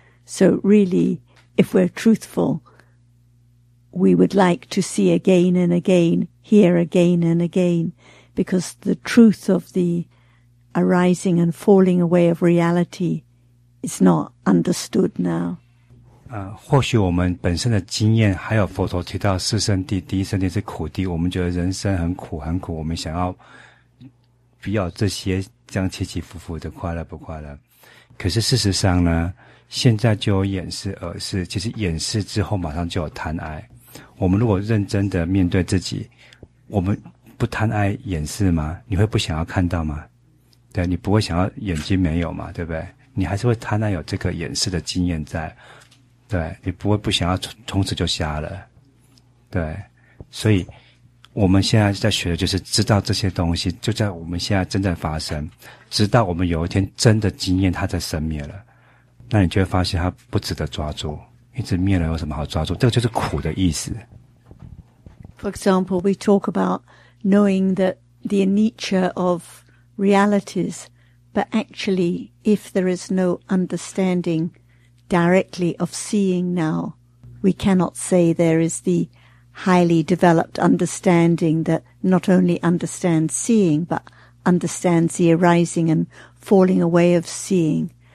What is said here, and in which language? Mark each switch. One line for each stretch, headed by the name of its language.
English: So really, if we're truthful, we would like to see again and again, hear again and again, because the truth of the arising and falling away of reality is not understood now.
Chinese: 或许我们本身的经验，还有佛陀提到四圣地，第一圣地是苦地，我们觉得人生很苦很苦，我们想要比较这些这样起起伏伏的快乐不快乐，可是事实上呢，现在就有眼识耳识，其实眼识之后马上就有贪爱，我们如果认真的面对自己，我们不贪爱眼识吗？你会不想要看到吗？对，你不会想要眼睛没有吗？对不对？你还是会贪爱有这个眼识的经验在，对，你不会不想要从此就瞎了。对，所以我们现在在学的就是知道这些东西就在我们现在正在发生，直到我们有一天真的经验它在生灭了，那你就会发现它不值得抓住，一直灭了有什么好抓住，这个就是苦的意思。
English: For example, we talk about knowing that the nature of realities, but actually if there is no understandingDirectly of seeing now, we cannot say there is the highly developed understanding that not only understands seeing, but understands the arising and falling away of seeing.